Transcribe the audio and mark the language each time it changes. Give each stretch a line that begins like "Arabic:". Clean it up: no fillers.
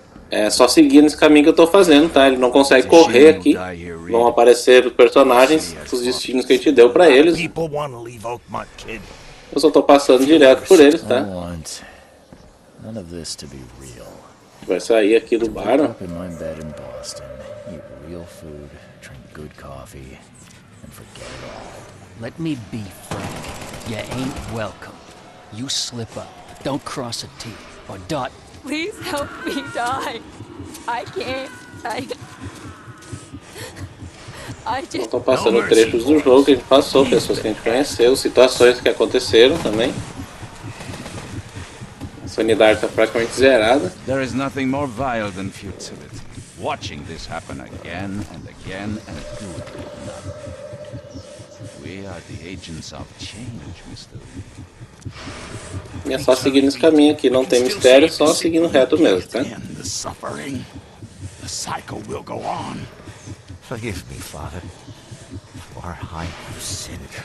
Portuguese: É só seguir nesse caminho que eu tô fazendo, tá? Ele não consegue correr aqui. Vão aparecer os personagens, os destinos que a gente deu pra eles. Eu só tô passando direto por eles, tá?
English: None of this to be real.
Portuguese: Vai sair aqui do bar.
English: In my bed in Boston, eat real food, drink good coffee, and forget it all. Let me be frank. You ain't welcome. You slip up. Don't cross a T or dot. Please help me die. I can't. I just.
Portuguese: Estou passando trechos do jogo que a gente passou, pessoas que a gente conheceu, situações que aconteceram também. Sanidade está praticamente zerada.
English: There is nothing more vile than futility. Watching this happen again and again and doing nothing. We are the agents of change, Mr.
Portuguese: Lee. É só seguir nesse caminho aqui, não tem mistério, só seguindo reto mesmo, tá?
English: The suffering, the cycle will go on. Forgive me, Father, for I have sinned.